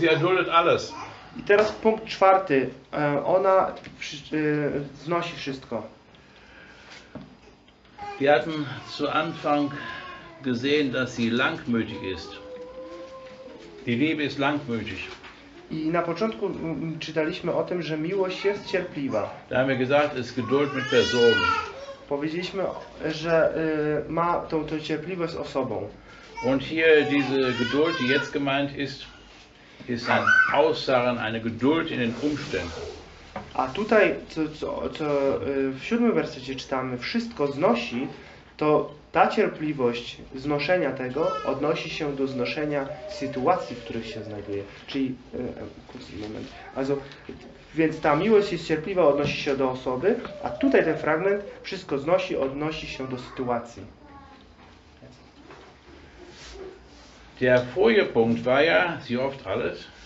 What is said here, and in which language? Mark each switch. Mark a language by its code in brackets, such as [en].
[de] Sie erduldet alles. [pl] I teraz punkt czwarty. Ona znosi wszystko. [de] Wir hatten zu Anfang gesehen, dass sie langmütig ist. Die Liebe ist langmütig. [pl] I na początku czytaliśmy o tym, że miłość jest cierpliwa. [de] Da haben wir gesagt, ist Geduld mit Personen. [pl] Powiedzieliśmy, że ma tą cierpliwość z osobą. [de] Und hier diese Geduld, die jetzt gemeint ist, ist ein Ausharren, eine Geduld in den Umständen. [pl] A tutaj, co w siódmym wersecie czytamy, wszystko znosi, to ta cierpliwość znoszenia tego odnosi się do znoszenia sytuacji, w których się znajduje. Czyli, moment. [de] Also, [pl] więc ta miłość jest cierpliwa, odnosi się do osoby, a tutaj ten fragment wszystko znosi, odnosi się do sytuacji. [de] Der vorige Punkt war ja, sie oft alles.